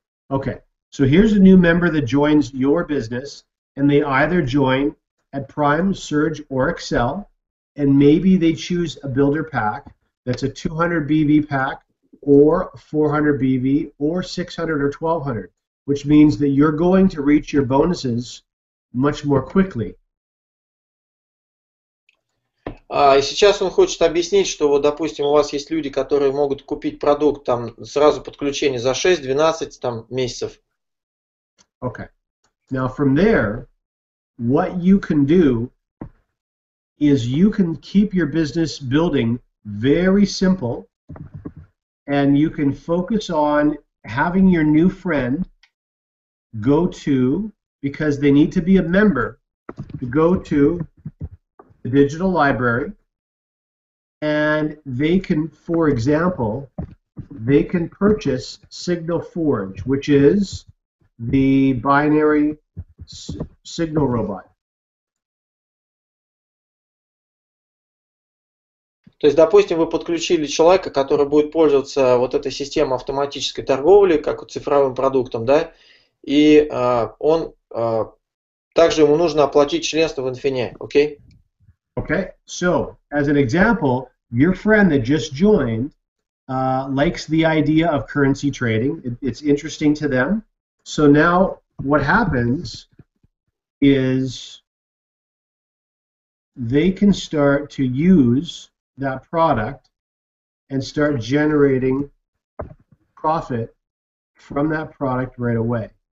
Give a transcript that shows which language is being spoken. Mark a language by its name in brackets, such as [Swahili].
[English] Okay, so here's a new member that joins your business, and they either join at Prime, Surge, or Excel. And maybe they choose a builder pack that's a 200 BV pack or 400 BV or 600 or 1200, which means that you're going to reach your bonuses much more quickly. [Russian] И сейчас он хочет объяснить, что вот, допустим, у вас есть люди, которые могут купить продукт там сразу подключение за 6-12 там месяцев. [English] Okay. Now from there, what you can do is you can keep your business building very simple, and you can focus on having your new friend go to, because they need to be a member, to go to the digital library, and they can, for example, they can purchase Signal Forge, which is the binary signal robot. [Russian] То есть, допустим, вы подключили человека, который будет пользоваться вот этой системой автоматической торговли, как цифровым продуктом, да, и он также ему нужно оплатить членство в Infinia, окей? [English] Okay, so, as an example, your friend that just joined likes the idea of currency trading. It's interesting to them. So now what happens is they can start to use that product and start generating profit from that product right away.